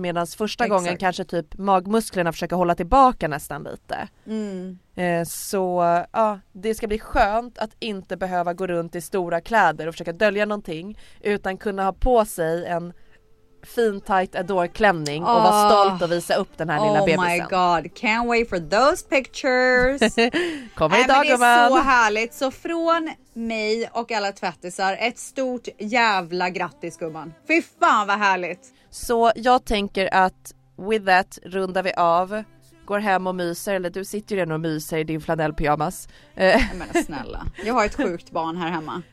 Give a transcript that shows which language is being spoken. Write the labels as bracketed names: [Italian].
[Swedish] Medan första gången kanske typ magmusklerna försöker hålla tillbaka nästan lite. Så ja, det ska bli skönt att inte behöva gå runt i stora kläder och försöka dölja någonting. Utan kunna ha på sig en fin tight adore klänning och vara stolt och visa upp den här lilla bebisen. [English] Oh my god, can't wait for those pictures. [Swedish] Kommer idag, gumman. Det är så härligt. Så från mig och alla tvättisar, ett stort jävla grattis, gumman. Fy fan vad härligt. Så jag tänker att with that rundar vi av. Går hem och myser, eller du sitter ju redan och myser i din flanellpyjamas. Men snälla, jag har ett sjukt barn här hemma.